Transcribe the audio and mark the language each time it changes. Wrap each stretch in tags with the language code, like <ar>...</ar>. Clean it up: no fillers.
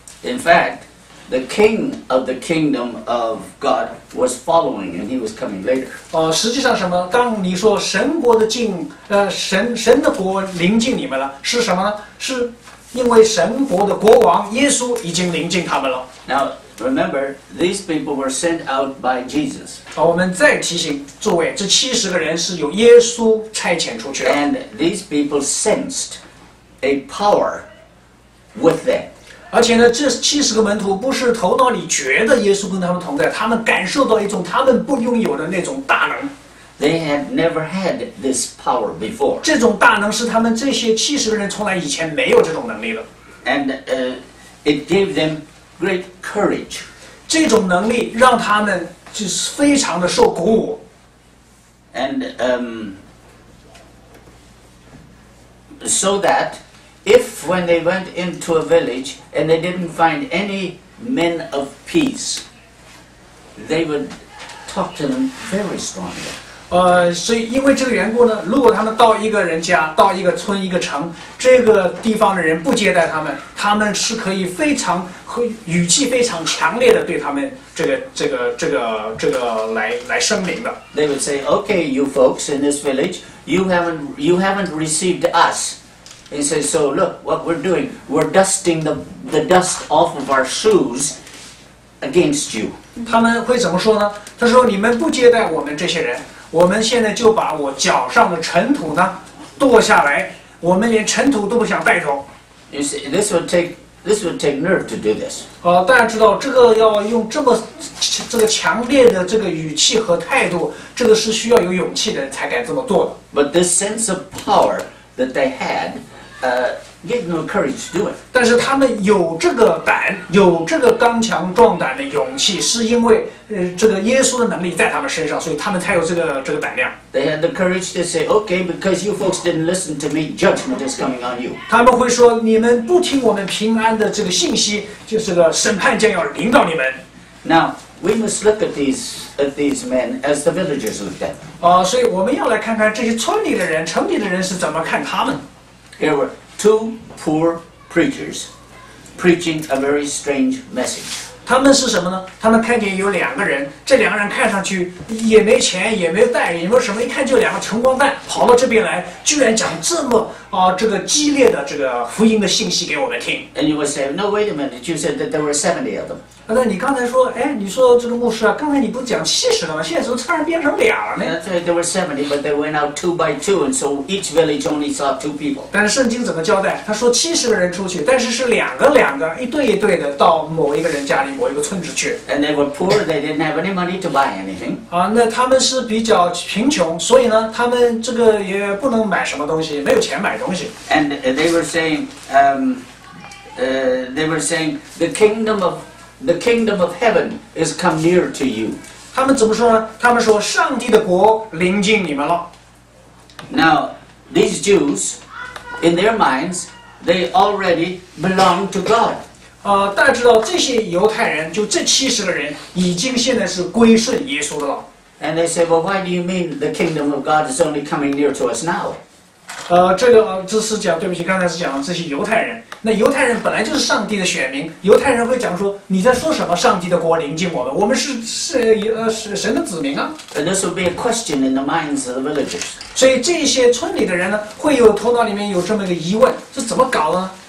<en>In fact, the king of the kingdom of God was following, and he was coming later.</en> <zh>实际上什么？当你说神国的近，神的国临近你们了，是什么呢？是因为神国的国王耶稣已经临近他们了。</zh> <en>Now,Remember, these people were sent out by Jesus.</en> <zh>我们再提醒诸位，这七十个人是由耶稣差遣出去的。</zh> <en>And these people sensed a power with them.</en> <zh>而且呢，这七十个门徒不是头脑里觉得耶稣跟他们同在，他们感受到一种他们不拥有的那种大能。</zh> <en>They had never had this power before.</en> <zh>这种大能是他们这些七十个人从来以前没有这种能力的。</zh> <en>And it gave them. Great courage.</en> <zh>这种能力让他们就是非常的受鼓舞。</zh> <en>And so that if when they went into a village and they didn't find any men of peace, they would talk to them very strongly.</en> <zh>所以因为这个缘故呢，如果他们到一个人家、到一个村、一个城，这个地方的人不接待他们是可以非常。语气非常强烈的对他们这个来声明的。</zh> <en>They would say, "Okay, you folks in this village, you haven't received us." They say, "So look, what we're doing, we're dusting the dust off of our shoes against you."</en> <zh>他们会怎么说呢？他说：“你们不接待我们这些人，我们现在就把我脚上的尘土呢剁下来，我们连尘土都不想带走。”</zh> <en>You see, this would take nerve to do this.</en> <zh>大家知道这个要用这个强烈的这个语气和态度，这个是需要有勇气的人才敢这么做的。</zh> <en>But this sense of power that they had, gave them courage to do it.</en> <zh>但是他们有这个胆，有这个刚强壮胆的勇气，是因为这个耶稣的能力在他们身上，所以他们才有这个胆量。</zh> <en>They had the courage to say, "Okay, because you folks didn't listen to me, judgment is coming on you."</en> <zh>他们会说，你们不听我们平安的这个信息，就是个审判将要临到你们。</zh> <en>Now we must look at these men as the villagers looked at.</en> <zh>所以我们要来看看这些村里的人、城里的人是怎么看他们。</zh> <en>Here we're two poor preachers preaching a very strange message.</en> <zh>他们是什么呢？他们看见有两个人，这两个人看上去也没钱，也没带，也没什么，一看就两个穷光蛋，跑到这边来，居然讲这么这个激烈的这个福音的信息给我们听。</zh> <en>And you would say, "No, wait a minute. You said that there were 70 of them."</en> <zh>那你刚才说，你说这个牧师啊，刚才你不讲七十个吗？现在怎么突然变成俩了呢？</zh> <en>There were 70, but they went out two by two, and so each village only saw two people.</en> <zh>但是圣经怎么交代？他说七十个人出去，但是是两个两个，一对一对的到某一个人家里。</zh> <en>And they were poor. They didn't have any money to buy anything.</en> <zh>那他们是比较贫穷，所以呢，他们这个也不能买什么东西，没有钱买东西。</zh> <en>And they were saying, the kingdom of heaven is come near to you.</en> <zh>他们怎么说呢？他们说上帝的国临近你们了。</zh> <en>Now, these Jews, in their minds, they already belong to God.</en> <zh>大家知道这些犹太人，就这七十个人，已经现在是归顺耶稣的了。</zh> <en>And they say, "Well, why do you mean the kingdom of God is only coming near to us now?"</en> <zh>这是讲，对不起，刚才是讲这些犹太人。那犹太人本来就是上帝的选民，犹太人会讲说，你在说什么？上帝的国临近我们，我们是神的子民啊。</zh> <en>And this will be a question in the minds of the villagers.</en> <zh>所以这些村里的人呢，会有头脑里面有这么一个疑问，这怎么搞呢？</zh>